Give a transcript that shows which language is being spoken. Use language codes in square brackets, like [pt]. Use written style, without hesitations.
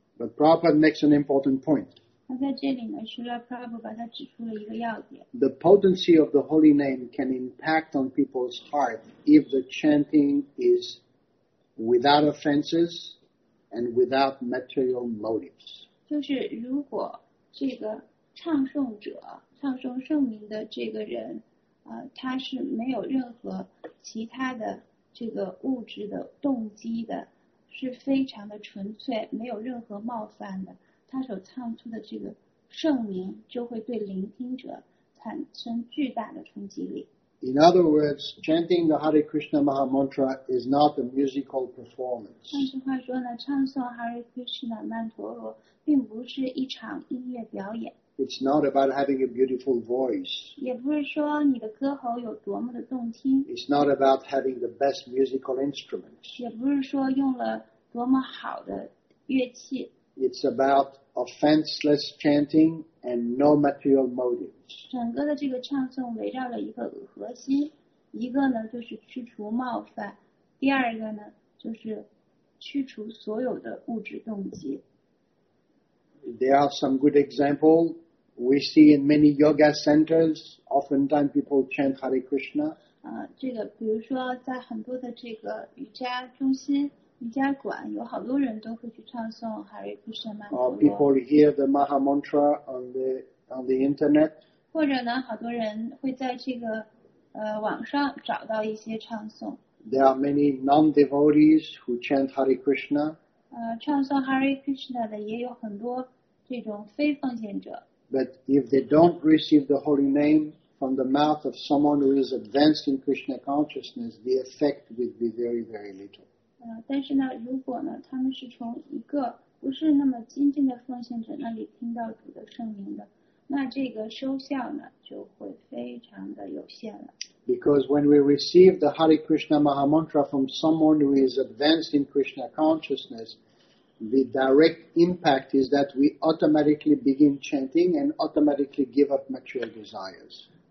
[en] But Prabhupada makes an important point. [zh] 那在这里呢，Srila Prabhupada他指出了一个要点。 [en] The potency of the holy name can impact on people's heart if the chanting is without offenses. And without material motives. [zh] 就是如果这个唱诵者唱诵圣名的这个人他是没有任何其他的这个物质的动机的是非常的纯粹没有任何冒犯的他所唱出的这个圣名就会对聆听者产生巨大的冲击力。 [en] In other words, chanting the Hare Krishna Maha Mantra is not a musical performance. [zh] 换句话说呢，唱诵 Hare Krishna 曼陀罗并不是一场音乐表演。 [en] It's not about having a beautiful voice. [zh] 也不是说你的歌喉有多么的动听。 [en] It's not about having the best musical instruments. [zh] 也不是说用了多么好的乐器。 [en] It's about offenseless chanting. And no material motives. [zh] 整个的这个唱诵围绕了一个核心，一个呢就是去除冒犯，第二个呢就是去除所有的物质动机。 [en] There are some good example. We see in many yoga centers, oftentimes people chant Hare Krishna. [zh] 这个比如说在很多的这个瑜伽中心。瑜伽馆有好多人都会去唱诵 Hare Krishna 曼陀罗。 [en] People hear the Maha Mantra on the internet. [zh] 或者呢，好多人会在这个网上找到一些唱诵。 [en] There are many non-devotees who chant Hare Krishna. [zh] 唱诵 Hare Krishna 的也有很多这种非奉献者。 [en] But if they don't receive the holy name, from the mouth of someone who is advanced in Krishna consciousness, the effect would be very, very little. [zh] 但是呢，如果呢，他们是从一个不是那么精进的奉献者那里听到主的圣名的，那这个收效呢就会非常的有限了。 [en] Because when we receive the Hare Krishna Maha Mantra from someone who is advanced in Krishna consciousness, the direct impact is that we automatically begin chanting and automatically give up material desires.